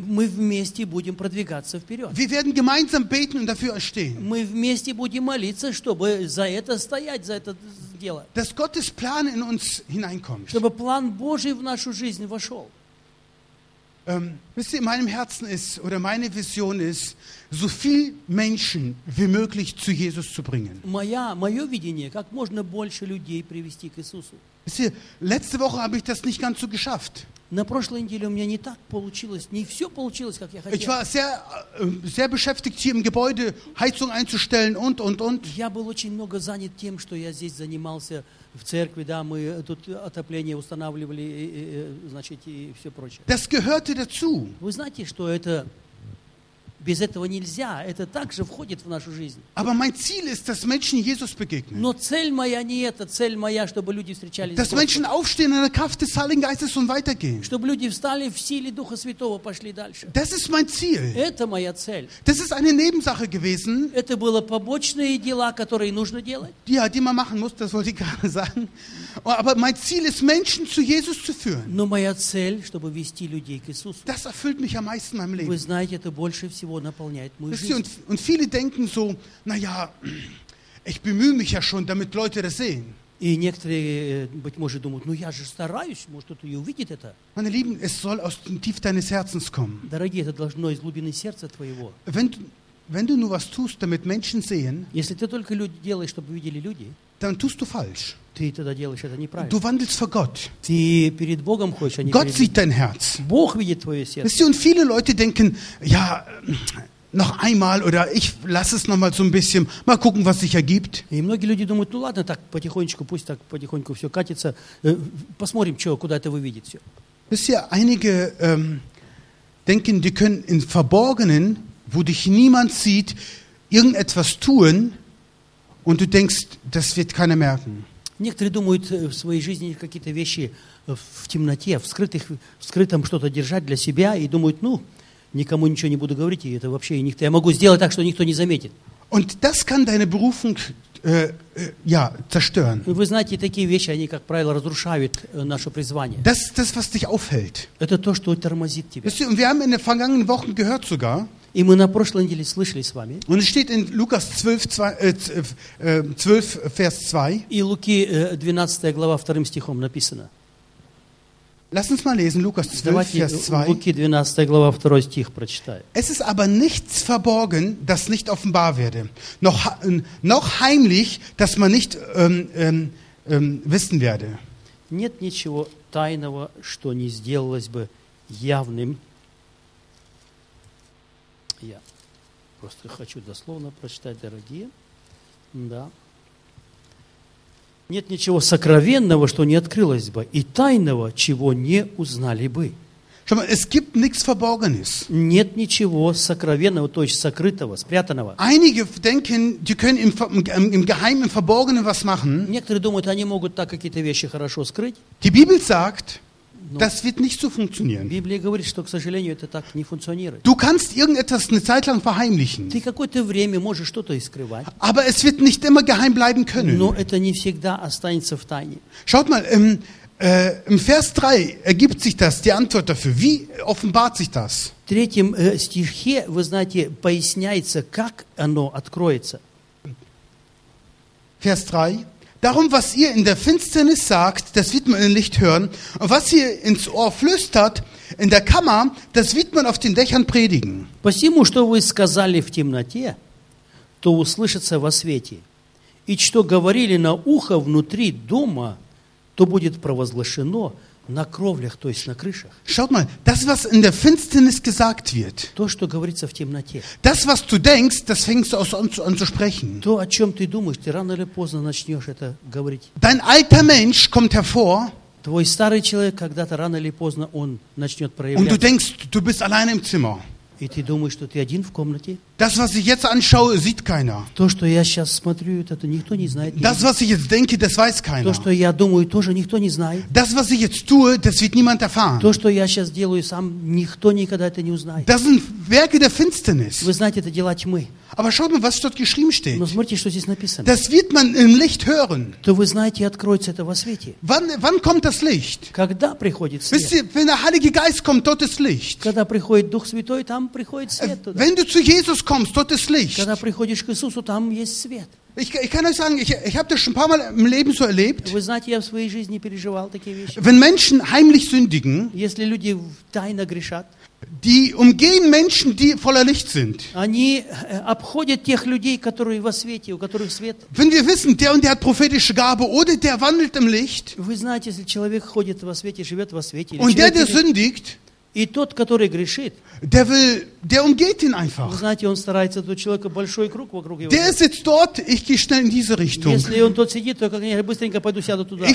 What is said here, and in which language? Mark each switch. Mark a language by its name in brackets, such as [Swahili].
[Russian] Мы вместе будем продвигаться вперед. [German] Wir werden gemeinsam beten und dafür stehen. [Russian] Мы вместе будем молиться, чтобы за это стоять, за это дело. [German] Dass Gottes Plan in uns hineinkommt. [Russian] Чтобы план Божий в нашу жизнь вошел. [German] Wisst ihr, in meinem Herzen ist, oder meine Vision ist, so viel Menschen wie möglich zu Jesus zu bringen. [Russian] Мое видение, как можно больше людей привести к Иисусу. [German] Wisst ihr, letzte Woche habe ich das nicht ganz so geschafft. [Russian] На прошлой неделе у меня не так получилось, не все получилось, как я хотел. [German] Ich war sehr, sehr beschäftigt hier im Gebäude, Heizung einzustellen und. [Russian] Я был очень много занят тем, что я здесь занимался в церкви, да, мы тут отопление устанавливали, значит, и все прочее. [German] Das gehörte dazu. [Russian] Вы знаете, что это без этого нельзя, это также входит в нашу жизнь. [German] Aber mein Ziel ist, dass Menschen Jesus begegnen. [Russian] Но цель моя не эта, цель моя, чтобы люди встречались. [German] Dass Menschen aufstehen in der Kraft des Heiligen Geistes und weitergehen. [Russian] Чтобы люди встали в силе Духа Святого, пошли дальше. [German] Das ist mein Ziel. [Russian] Это моя цель. [German] Das ist eine Nebensache gewesen. [Russian] Это было побочные дела, которые нужно делать. [German] Ja, die man machen muss, das wollte ich gerade sagen. Aber mein Ziel ist, Menschen zu Jesus zu führen. [Russian] Но моя цель, чтобы вести людей к Иисусу. [German] Das erfüllt mich am meisten in meinem Leben. [Russian] Вы знаете, это больше всего наполняет мою жизнь. [German] Und viele denken so, naja, ich bemühe mich ja schon, damit Leute das sehen. [Russian] И некоторые, быть может, думают, ну я же стараюсь, может кто-то и увидит это. [German] Meine Lieben, es soll aus dem Tief deines Herzens kommen. [Russian] Дорогие, это должно из глубины сердца твоего. [German] Wenn du nur was tust, damit Menschen sehen, [Russian] если ты только люди делаешь, чтобы видели люди, [German] dann tust du falsch. [Russian] Ты тогда делаешь это неправильно. [German] Du wandelst vor Gott. [Russian] Ты перед Богом хочешь, а не [German] Gott [Russian] перед... [German] sieht dein Herz. [Russian] Бог видит твое сердце. [German] Und viele Leute denken, ja, noch einmal oder ich lasse es noch mal so ein bisschen, mal gucken, was sich ergibt. [Russian] И многие люди думают, ну ладно, так потихонечку, пусть так потихоньку все катится, посмотрим, что, куда это выведет все. [German] Wisst ihr, einige denken, die können im Verborgenen, wo dich niemand sieht, irgendetwas tun und du denkst, das wird keiner merken. [Russian] Некоторые думают в своей жизни какие-то вещи в темноте, в скрытом что-то держать для себя и думают, ну, никому ничего не буду говорить, и это вообще никто, я могу сделать так, что никто не заметит. [German] Und das kann deine Berufung, ja, zerstören. [Russian] Вы знаете, такие вещи, они, как правило, разрушают наше призвание. [German] Das, was dich aufhält. [Russian] Это то, что тормозит тебя. [German] Wisst ihr, und wir haben in den vergangenen Wochen gehört sogar, [Russian] и мы на прошлой неделе слышали с вами. [German] Und es steht in Lukas 12, Vers 2. [Russian] И Луки 12 глава 2 стихом написано. [German] Lass uns mal lesen, Lukas 12, Vers 2. [Russian] Луки 12 глава 2 стих прочитаю. [German] Es ist aber nichts verborgen, das nicht offenbar werde. Noch heimlich, das man nicht wissen werde. [Russian] Нет ничего тайного, что не сделалось бы явным. Я просто хочу дословно прочитать, дорогие. Да. Нет ничего сокровенного, что не открылось бы, и тайного, чего не узнали бы. [German] Schau mal, es gibt nichts Verborgenes. [Russian] Нет ничего сокровенного, то есть сокрытого, спрятанного. [German] Einige denken, die können im Geheimen, im Verborgenen was machen. [Russian] Некоторые думают, они могут так какие-то вещи хорошо скрыть. [German] Die Bibel sagt, das wird nicht so funktionieren. [Russian] Библия говорит, что, к сожалению, это так не функционирует. [German] Du kannst irgendetwas eine Zeit lang verheimlichen. [Russian] Ты какое-то время можешь что-то скрывать. [German] Aber es wird nicht immer geheim bleiben können. [Russian] Но это не всегда останется в тайне. [German] Schaut mal, im Vers 3 ergibt sich das, die Antwort dafür. Wie offenbart sich das? [Russian] В третьем стихе, вы знаете, поясняется, как оно откроется. [German] Vers 3. Darum, was ihr in der Finsternis sagt, das wird man im Licht hören. Und was ihr ins Ohr flüstert, in der Kammer, das wird man auf den Dächern predigen. [Russian] Посему, что вы сказали в темноте, то услышится во свете. И что говорили на ухо внутри дома, то будет провозглашено на кровлях, то есть на крышах. [German] Schaut mal, das, was in der Finsternis gesagt wird. [Russian] То, что говорится в темноте. [German] Das, was du denkst, das fängst du an zu sprechen. [Russian] То, о чем ты думаешь, ты рано или поздно начнешь это говорить. [German] Dein alter Mensch kommt hervor. [Russian] Твой старый человек когда-то рано или поздно он начнет проявляться. [German] Und du denkst, du bist allein im Zimmer. [Russian] И ты думаешь, что ты один в комнате? [German] Das, was ich jetzt anschaue, sieht keiner. [Russian] То, что я сейчас смотрю, это никто не знает. [German] Das, was ich jetzt denke, das weiß keiner. [Russian] То, что я думаю, тоже никто не знает. [German] Das, was ich jetzt tue, das wird niemand erfahren. [Russian] То, что я сейчас делаю сам, никто никогда это не узнает. [German] Das sind Werke der Finsternis. [Russian] Вы знаете, это дела тьмы. [German] Aber schau mal, was dort geschrieben steht. [Russian] Но смотрите, что здесь написано. [German] Das wird man im Licht hören. [Russian] То вы знаете, откроется это во свете. [German] Wann kommt das Licht? [Russian] Когда приходит свет? [German] Wenn der Heilige Geist kommt, dort ist Licht. [Russian] Когда приходит Дух Святой, там приходит свет туда. [German] Wenn du zu Jesus kommst, dort ist Licht. [Russian] Когда приходишь к Иисусу, там есть свет. [German] Ich kann euch sagen, ich habe das schon ein paar Mal im Leben so erlebt. [Russian] Вы знаете, я в своей жизни переживал такие вещи. [German] Wenn Menschen heimlich sündigen, [Russian] если люди тайно грешат, [German] die umgehen Menschen, die voller Licht sind. [Russian] Они обходят тех людей, которые во свете, у которых свет. [German] Wenn wir wissen, der und der hat prophetische Gabe oder der wandelt im Licht. [Russian] Вы знаете, если человек ходит во свете, живет во свете. [German] Und der sündigt, [Russian] и тот, который грешит, [German] der umgeht ihn einfach. [Russian] Знаете, он старается, тот человек большой круг вокруг его. [German] Der sitzt dort, ich gehe schnell in diese Richtung. [Russian] Если он тот сидит, то как я быстренько пойду сяду туда.